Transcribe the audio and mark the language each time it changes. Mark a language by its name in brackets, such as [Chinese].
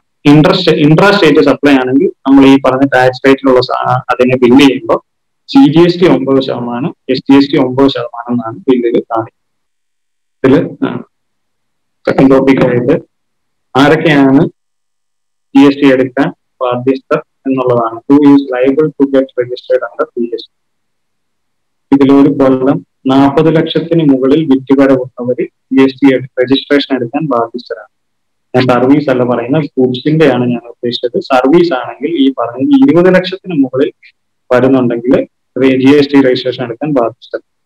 [Malayalam] Intra state supply ആണെങ്കിൽ നമ്മൾ ഈ പറഞ്ഞ ടാക്സ് റേറ്റിലുള്ള അതിനെ ബില്ല് ചെയ്യുമ്പോൾ CGST 9%, SGST 9% എന്നാണ് ബില്ലിൽ കാണിക്കുന്നത്. ഇതിൽ സെക്കൻഡ് ടോപ്പിക്കായിട്ട് ആരൊക്കെയാണ് GST എടുക്കാൻ ബാധ്യസ്ഥ എന്നുള്ളതാണ്. [English] Who is liable to get registered under GST? [Malayalam] ഇതിലൊരു കൊല്ലം 40 ലക്ഷത്തിന് മുകളിൽ വിറ്റുകട കൊടുത്തവര് GST രജിസ്ട്രേഷൻ എടുക്കാൻ ബാധ്യസ്ഥരാണ്. ഞാൻ സർവീസ് അല്ല പറയുന്നത്, ഗുഡ്സിന്റെ ആണ് ഞാൻ ഉദ്ദേശിച്ചത്. സർവീസ് ആണെങ്കിൽ ഈ പറഞ്ഞ 20 ലക്ഷത്തിന് മുകളിൽ വരുന്നുണ്ടെങ്കിൽ GST രജിസ്ട്രേഷൻ എടുക്കാൻ ബാധ്യസ്ഥ.